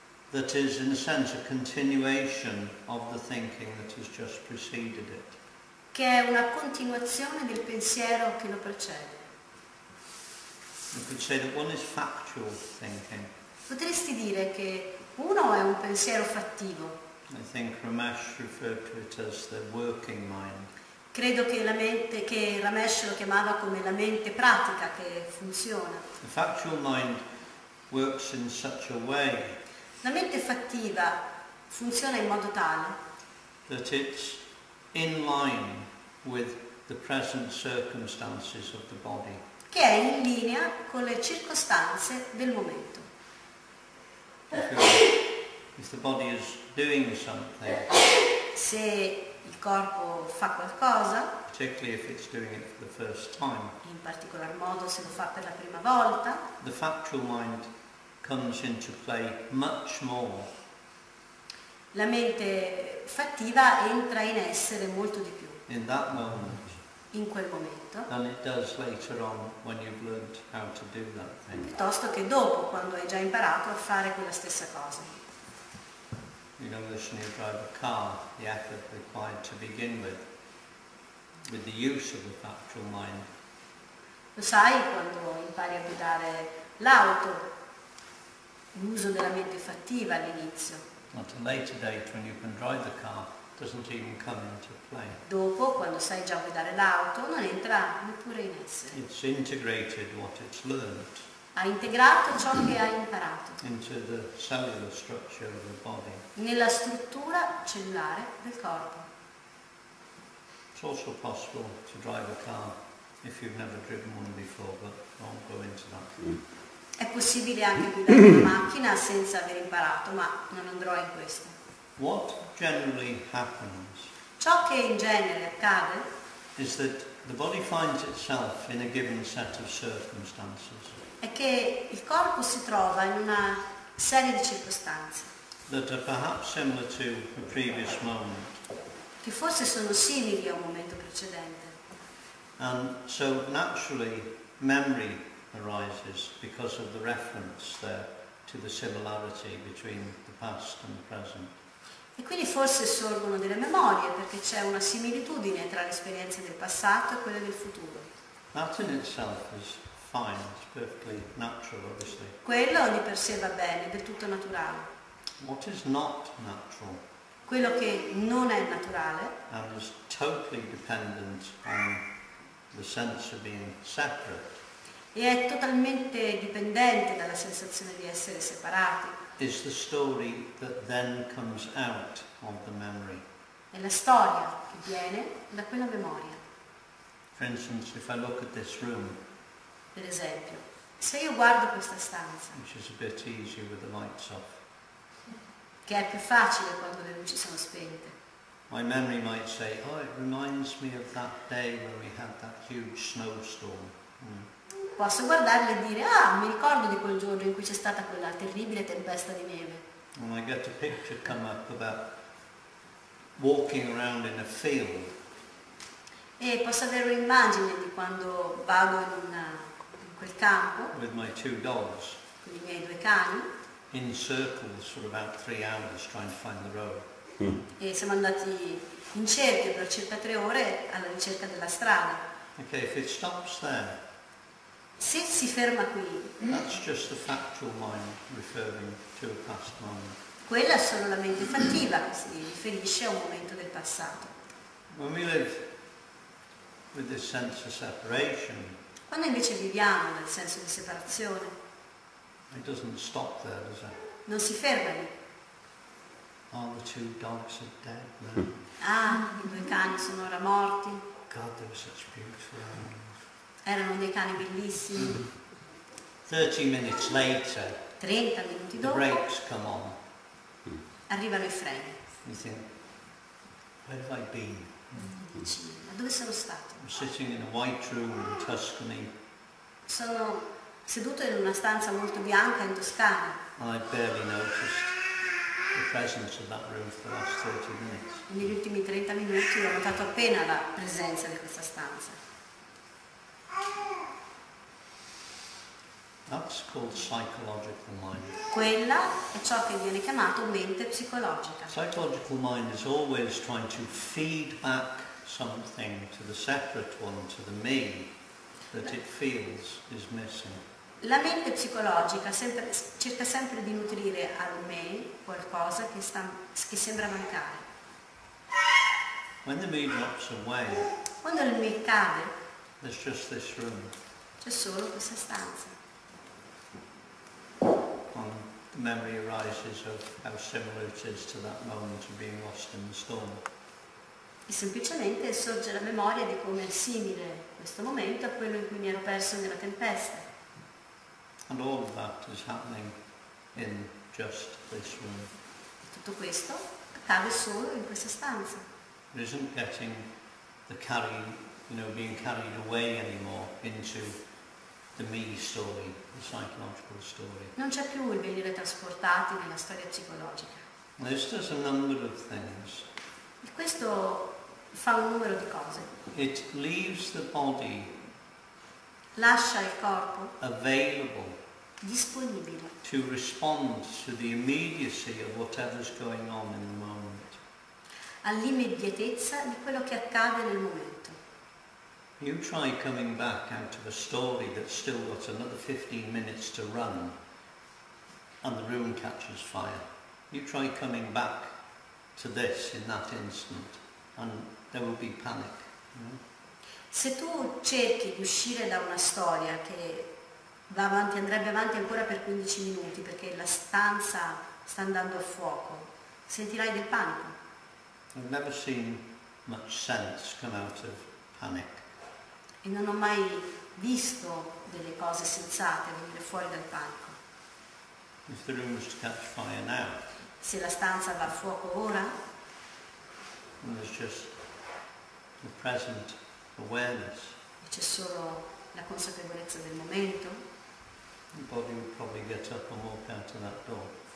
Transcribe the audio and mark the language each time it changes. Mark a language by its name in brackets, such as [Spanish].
[English] That is in a sense a continuation of the thinking that has just preceded it. [Italian] Che è una continuazione del pensiero che lo precede. [English] You could say that one is factual thinking. [Italian] Potresti dire che uno è un pensiero fattivo. [English] I think Ramesh referred to it as the working mind. [Italian] Credo che la mente, che Ramesh lo chiamava come la mente pratica che funziona. [English] The factual mind works in such a way. [Italian] La mente fattiva funziona in modo tale. [English] That it's in line with the present circumstances of the body. [Italian] Che è in linea con le circostanze del momento. [English] If the body is doing something. [Italian] Se il corpo fa qualcosa. [English] Particularly if it's doing it for the first time. [Italian] In particolar modo se lo fa per la prima volta. [English] The factual mind comes into play much more. [Italian] La mente fattiva entra in essere molto di più. [English] In that moment. [Italian] In quel momento. [English] Than it does later on when you've learned how to do that thing. [Italian] Piuttosto che dopo, quando hai già imparato a fare quella stessa cosa. [English] You know, when you drive a car, the effort required to begin with the use of the factual mind. [Italian] Lo sai quando impari a guidare l'auto, l'uso della mente fattiva all'inizio. [English] At a later date, when you can drive the car, doesn't even come into play. [Italian] Dopo, quando sai già guidare l'auto, non entra neppure in essere. [English] It's integrated what it's learned. [Italian] Ha integrato ciò che ha imparato. [English] Into the cellular structure of the body. [Italian] Nella struttura cellulare del corpo. [English] It's also possible to drive a car if you've never driven one before, but I won't go into that. [Italian] È possibile anche guidare una macchina senza aver imparato, ma non andrò in questo. [English] What generally happens? [Italian] Ciò che in genere accade [English] is that the body finds itself in a given set of circumstances. [Italian] È che il corpo si trova in una serie di circostanze [English] that are perhaps similar to a previous moment. [Italian] Che forse sono simili a un momento precedente. [English] And so naturally memory arises because of the reference there to the similarity between the past and the present. [Italian] E quindi forse sorgono delle memorie perché c'è una similitudine tra l'esperienza del passato e quella del futuro. [English] That in itself is fine, it's perfectly natural, obviously. [Italian] Quello di per sé va bene, del tutto naturale. [English] What is not natural? [Italian] Quello che non è naturale. [English] And is totally dependent on the sense of being separate. [Italian] E è totalmente dipendente dalla sensazione di essere separati. [English] Is the story that then comes out of the memory. [Italian] È la storia che viene da quella memoria. [English] For instance, if I look at this room. [Italian] Per esempio, se io guardo questa stanza, [English] which is a bit easier with the lights off, [Italian] che è più facile quando le luci sono spente, [English] my memory might say, oh, it reminds me of that day when we had that huge snowstorm. [Italian] Posso guardarle e dire, ah, mi ricordo di quel giorno in cui c'è stata quella terribile tempesta di neve. [English] And I get a picture come up about walking around in a field. [Italian] E posso avere un'immagine di quando vado in quel campo [English] with my two dogs. [Italian] con I miei due cani. [English] In circles for about 3 hours trying to find the road. [Italian] E siamo andati in cerchio per circa 3 ore alla ricerca della strada. [English] Okay, if it stops there. [Italian] Se si ferma qui. [English] That's just the factual mind referring to a past moment. [Italian] Quella è solo la mente fattiva, si riferisce a un momento del passato. [English] When we live with this sense of separation. [Italian] Quando invece viviamo nel senso di separazione. [English] It doesn't stop there, does it? [Italian] Non si ferma lì. [English] Oh, the two dogs are dead now. [Italian] Ah, I due cani sono ora morti. [English] God, they were such beautiful animals. [Italian] Erano dei cani bellissimi. [English] 30 minutes later. [Italian] 30 minuti dopo. [English] The brakes come on. [Italian] Arrivano I freni. [English] You think, where have I been? [Italian] Ma dove sono stato? [English] I'm sitting in a white room in Tuscany. [Italian] Sono seduto in una stanza molto bianca in Toscana. [English] I barely noticed the presence of that room for the last 30 minutes. [Italian] Negli ultimi 30 minuti ho notato appena la presenza di questa stanza. [English] That's called psychological mind. [Italian] Quella è ciò che viene chiamato mente psicologica. [English] Psychological mind is always trying to feed back something to the separate one, to the me, that it feels is missing. [Italian] La mente psicologica sempre, cerca sempre di nutrire al me qualcosa che, sta, che sembra mancare. [English] When the me drops away, [Italian] quando il me cade, [English] there's just this room. [Italian] C'è solo questa stanza. [English] And the memory arises of how similar it is to that moment of being lost in the storm. [Italian] E semplicemente sorge la memoria di come è simile questo momento a quello in cui mi ero perso nella tempesta. [English] And all of that is happening in just this room. [Italian] Tutto questo accade solo in questa stanza. [English] It isn't getting the carrying, you know, being carried away anymore into the me story, the psychological story. [Italian] Non c'è più il venire trasportati nella storia psicologica. [English] This does a number of things. [Italian] E questo fa un numero di cose. [English] It leaves the body. [Italian] Lascia il corpo [English] available, [Italian] disponibile [English] to respond to the immediacy of whatever's going on in the moment. [Italian] All'immediatezza di quello che accade nel momento. [English] You try coming back out of a story that's still got another 15 minutes to run and the room catches fire. You try coming back to this in that instant and there will be panic. [Italian] Se tu cerchi di uscire da una storia che va avanti, andrebbe avanti ancora per 15 minuti perché la stanza sta andando a fuoco, sentirai del panico. [English] I've never seen much sense come out of panic. [Italian] E non ho mai visto delle cose sensate venire fuori dal panico. [English] If the room was to catch fire now, [Italian] se la stanza va a fuoco ora, [English] there's just the present. Awareness. [Italian] E c'è solo la consapevolezza del momento. [English] The body will probably get up and walk out of that door.